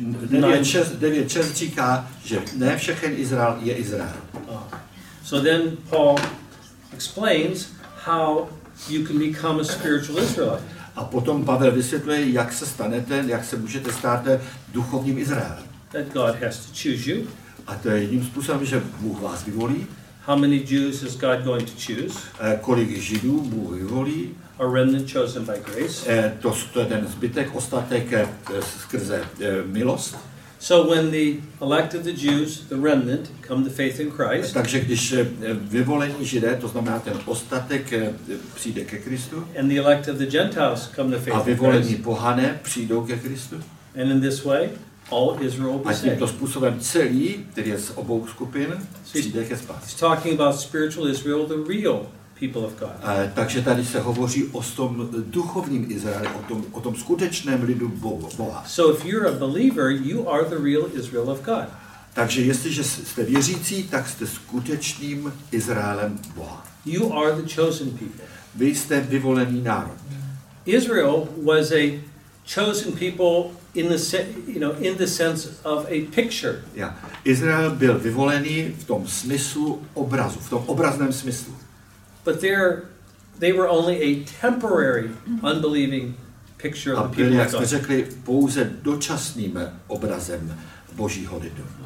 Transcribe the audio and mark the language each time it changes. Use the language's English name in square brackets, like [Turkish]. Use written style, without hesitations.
[Czech] 9:6 říká, že ne všechen Izrael je Izrael. [English] So then Paul explains how you can become a spiritual Israelite. [Czech] A potom Pavel vysvětluje, jak se stanete, jak se můžete stát duchovním Izraelem. [English] That God has to choose you. [Czech] A to je jedním způsobem, že Bůh vás vyvolí. [English] How many Jews is God going to choose? [Czech] Kolik Židů Bůh vyvolí? [English] A remnant chosen by grace. [Czech] To je ten zbytek, ostatek skrze milost. [English] So when the elect of the Jews, the remnant, come to faith in Christ. [Czech] Takže když vyvolení Židé, to znamená ten ostatek, přijde ke Kristu. [English] And the elect of the Gentiles come to faith in Christ. [Czech] A vyvolení pohané přijdou ke Kristu. [English] And in this way, all Israel will be saved. [Czech] A tímto způsobem celý, který je z obou skupin, přijde ke spásě. [English] He's talking about spiritual Israel, the real people of God. [Czech] Takže tady se hovoří o tom duchovním Izraeli, o tom skutečném lidu Boha. [English] So if you're a believer, you are the real Israel of God. [Czech] Takže jestliže jste věřící, tak jste skutečným Izraelem Boha. [English] You are the chosen people. [Czech] Vy jste vyvolený národ. [English] Israel was a chosen people in the sense of a picture. Yeah. [Czech] Izrael byl vyvolený v tom smyslu obrazu, v tom obrazném smyslu. [English] But they were only a temporary unbelieving picture of the people. [Czech] A byli, jak řekli, pouze dočasným obrazem Božího lidu.